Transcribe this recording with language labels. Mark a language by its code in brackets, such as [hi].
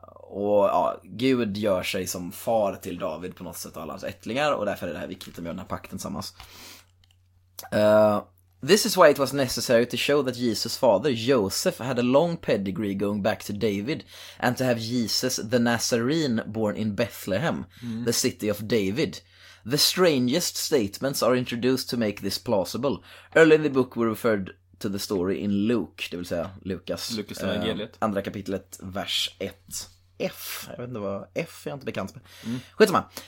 [sv] Och ja, Gud gör sig som far till David på något sätt, alla hans ättlingar, och därför är det här viktigt att de gör den här pakten tillsammans. [en] This is why it was necessary to show that Jesus' father, Joseph, had a long pedigree going back to David, and to have Jesus the Nazarene born in Bethlehem, the city of David. The strangest statements are introduced to make this plausible. Early in the book we referred to the story in Luke, [sv] det vill säga Lukas evangeliet. Andra kapitlet, vers 1. F, jag vet inte vad F är, jag inte bekant med. Skitsamma.